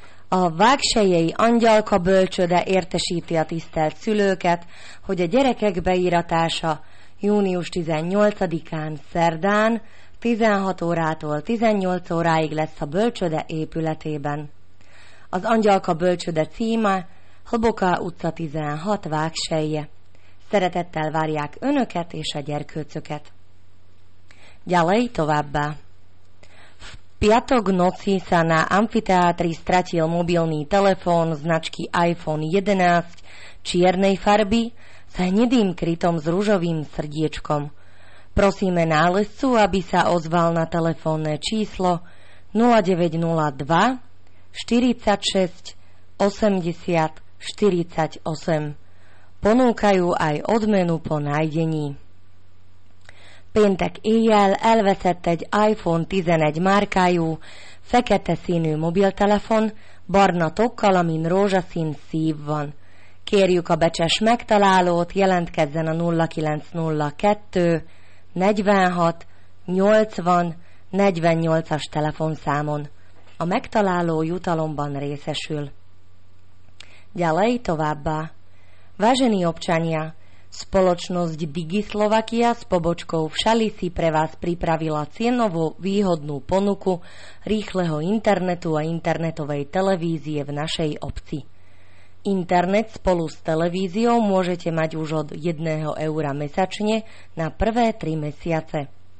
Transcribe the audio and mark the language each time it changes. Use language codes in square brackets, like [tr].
[hu] A vágsejei angyalka bölcsöde értesíti a tisztelt szülőket, hogy a gyerekek beíratása június 18-án szerdán 16 órától 18 óráig lesz a bölcsöde épületében. Az angyalka bölcsöde címe Hlboká utca 16 vágseje. Szeretettel várják önöket és a gyerkőcöket. Gyalej továbbá! [sk] Piatok noci sa na amfiteátri stratil mobilný telefón značky iPhone 11 čiernej farby s hnedým krytom s ružovým srdiečkom. Prosíme nálezcu, aby sa ozval na telefónne číslo 0902 46 80 48. Ponúkajú aj odmenu po nájdení. [hu] Péntek éjjel elveszett egy iPhone 11 márkájú, fekete színű mobiltelefon, barna tokkal, amin rózsaszín szív van. Kérjük a becses megtalálót, jelentkezzen a 0902 46 80 48-as telefonszámon. A megtaláló jutalomban részesül. [sk] Gyalej továbbá! Vážení občania! Spoločnosť Digi Slovakia s pobočkou v Šali si pre vás pripravila cenovo výhodnú ponuku rýchleho internetu a internetovej televízie v našej obci. Internet spolu s televíziou môžete mať už od 1 eura mesačne na prvé 3 mesiace.